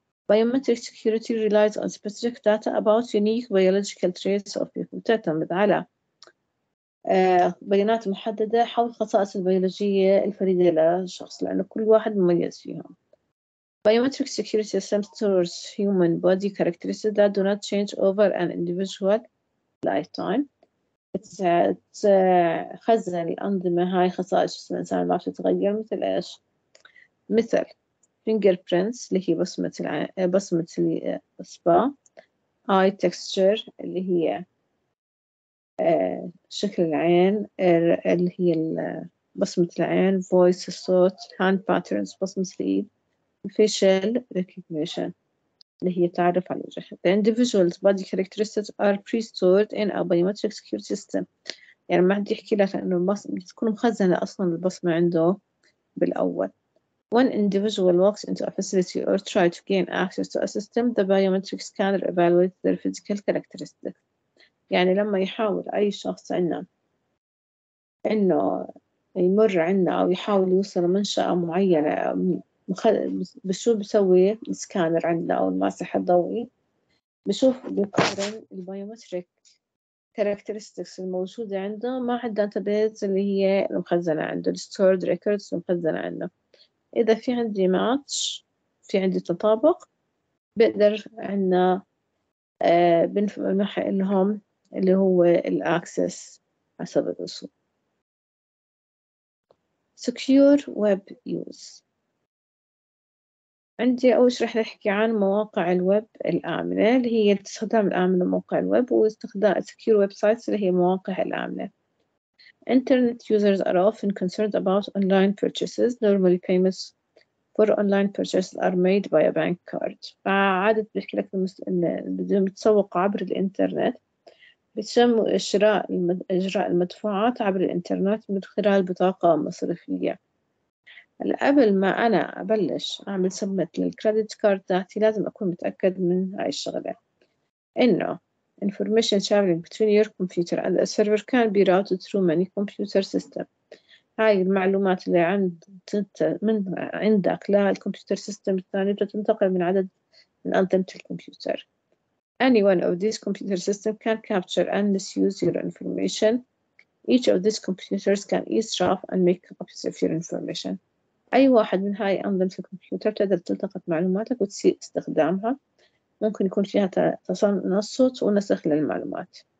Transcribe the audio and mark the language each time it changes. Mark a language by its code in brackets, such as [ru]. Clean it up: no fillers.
[en] Biometric security relies on specific data about unique biological traits of people. [ar] تعتمد على بيانات محددة حول خصائص البيولوجية الفريدة للشخص، لأنه كل واحد مميز فيهم. [en] Biometric security systems stores human body characteristics that do not change over an individual lifetime. [ar] تخزن الأنظمة هاي خصائص جسم الإنسان ما بتتغير. مثل إيش؟ مثل fingerprints اللي هي بصمة الإصبع، eye texture اللي هي شكل العين اللي هي بصمة العين، voice الصوت، hand patterns بصمة الإيد، facial recognition اللي هي تعرف على الوجه. [en] The individual's body characteristics are pre-stored in a biometric security system. [ar] يعني ما حد يحكي لك إنه البصمة تكون مخزنة أصلاً البصمة عنده بالأول. [en] When individual walks into a facility or try to gain access to a system, the biometric scanner evaluates their physical characteristics. [ar] يعني لما يحاول أي شخص عنا إنه يمر عنا أو يحاول يوصل منشأة معينة، بشوف بسوي سكانر عندنا أو الماسح الضوئي، بشوف بقارن البيومتريك كاركترستيكس الموجودة عنده مع الداتابيز اللي هي المخزنة عنده، الستورد ريكوردز المخزنة عنده. إذا في عندي ماتش، في عندي تطابق، بقدر عنا بنمنح لهم اللي هو الأكسس حسب الأصول. سكيور ويب يوز. عندي أول شيء رح نحكي عن مواقع الويب الآمنة اللي هي الاستخدام الآمن لمواقع الويب، واستخدام secure websites اللي هي مواقع الآمنة. [en] Internet users are often concerned about online purchases. Normally payments for online purchases are made by a bank card. [ar] فعادة بحكي لك إن بدهم يتسوق عبر الإنترنت بتسموا إجراء المدفوعات عبر الإنترنت من خلال بطاقة مصرفية. قبل ما أنا أبلش أعمل سبميت للكريدت كارد تاعتي لازم أكون متأكد من هاي الشغلة إنه [en] information traveling between your computer and the server can be routed through many computer system. [ar] هاي المعلومات اللي عند من عندك للكمبيوتر سيستم الثاني بتنتقل من عدد من أنظمة الكمبيوتر. [en] Any one of these computer systems can capture and misuse your information. Each of these computers can eavesdrop and make copies of your information. [ar] أي واحد من هاي أنظمة الكمبيوتر تقدر تلتقط معلوماتك وتسيء استخدامها، ممكن يكون فيها تصنيف صوت ونسخ للمعلومات.